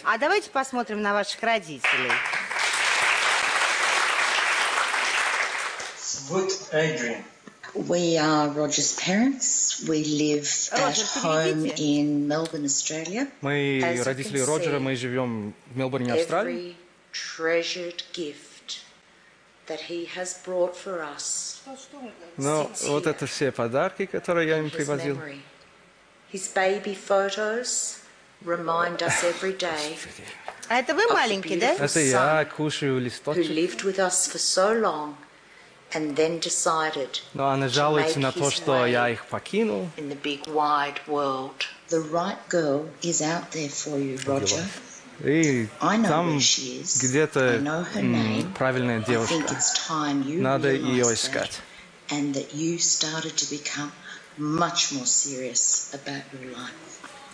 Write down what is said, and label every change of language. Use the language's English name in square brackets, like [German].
[Russian] А давайте посмотрим на ваших родителей. Вот Эдриан, [English] We are Roger's parents. We live at home in Melbourne, Australia. [Russian] Мы родители Роджера, мы живем в Мелбурне, Австралии. [English] Every treasured gift that he has brought for us. [Russian] Но вот это все подарки, которые я им привозил. [English] His baby photos remind us every day. [Russian] А это вы маленький, да? Это я, кушаю листочек. [English] Who lived with us for so long. And then decided [Russian] Но она жалуется на то, что я их покинул. [English] In the big, wide world. The right girl is out there for you, Roger. [Russian] И там где-то правильная девушка. Надо ее искать. [English] And that you started to become much more serious about your life.